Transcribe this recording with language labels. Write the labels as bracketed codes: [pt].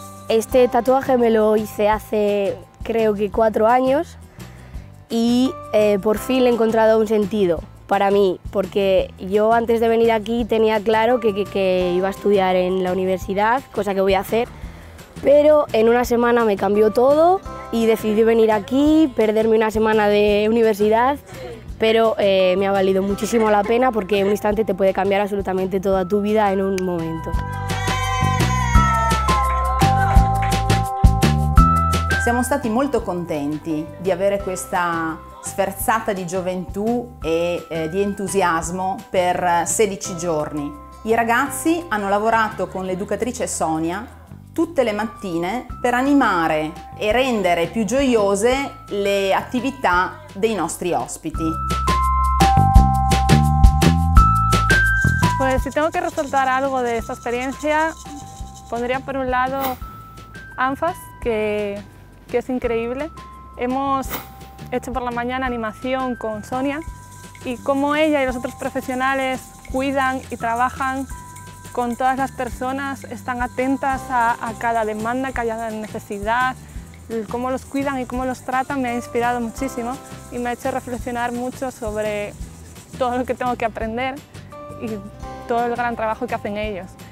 [es] Este tatuaje me lo hice hace creo que 4 años y por fin le he encontrado un sentido para mí, porque yo antes de venir aquí tenía claro que iba a estudiar en la universidad, cosa que voy a hacer, pero en una semana me cambió todo y decidí venir aquí, perderme una semana de universidad, pero me ha valido muchísimo la pena porque un instante te puede cambiar absolutamente toda tu vida en un momento. [it] Siamo stati molto contenti di avere questa sferzata di gioventù e di entusiasmo per 16 giorni. I ragazzi hanno lavorato con l'educatrice Sonia tutte le mattine per animare e rendere più gioiose le attività dei nostri ospiti. [es] Pues, si tengo que resaltar algo de esta experiencia, pondría per un lado ANFAS, que es increíble. Hemos hecho por la mañana animación con Sonia y cómo ella y los otros profesionales cuidan y trabajan con todas las personas, están atentas a cada demanda, cada necesidad, cómo los cuidan y cómo los tratan, me ha inspirado muchísimo y me ha hecho reflexionar mucho sobre todo lo que tengo que aprender y todo el gran trabajo que hacen ellos.